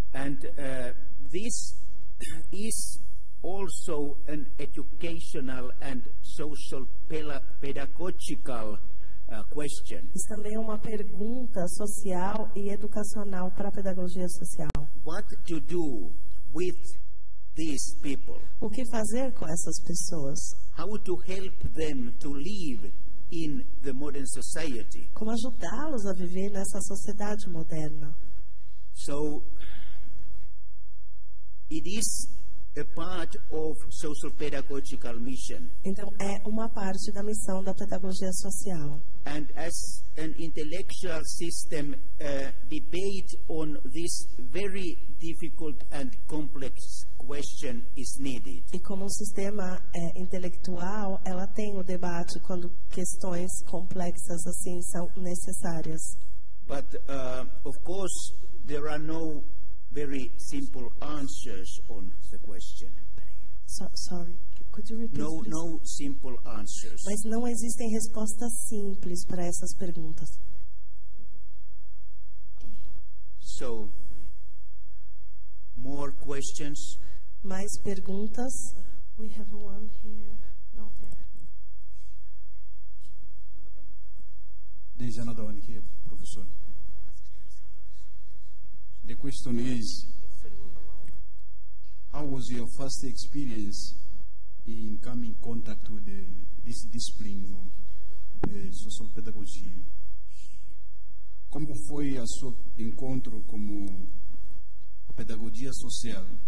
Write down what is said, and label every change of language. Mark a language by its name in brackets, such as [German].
[English] And this is also an educational and social pedagogical question. [Portuguese] Isso também é uma pergunta social e educacional para a pedagogia social. [English] What to do with these people? [Portuguese] O que fazer com essas pessoas? [English] How to help them to live in the modern society? [Portuguese] Como ajudá-los a viver nessa sociedade moderna? [English] So, it is a part of social pedagogical mission. [Portuguese] Então é uma parte da missão da pedagogia social. [English] And as an intellectual system debate on this very difficult and complex question is needed. [Portuguese] E como um sistema intelectual, ela tem o debate quando questões complexas assim são necessárias. [English] But of course there are no very simple answers on the question. Sorry, could you repeat? No simple answers. [Portuguese] Mas não existem respostas simples para essas perguntas. [English] So, more questions? [Portuguese] Mais perguntas? [English] We have one here. No, there. There's another one here, professor. The question is, how was your first experience in coming in contact with this discipline of social pedagogy? [Portuguese] Como foi a seu encontro com a pedagogia social?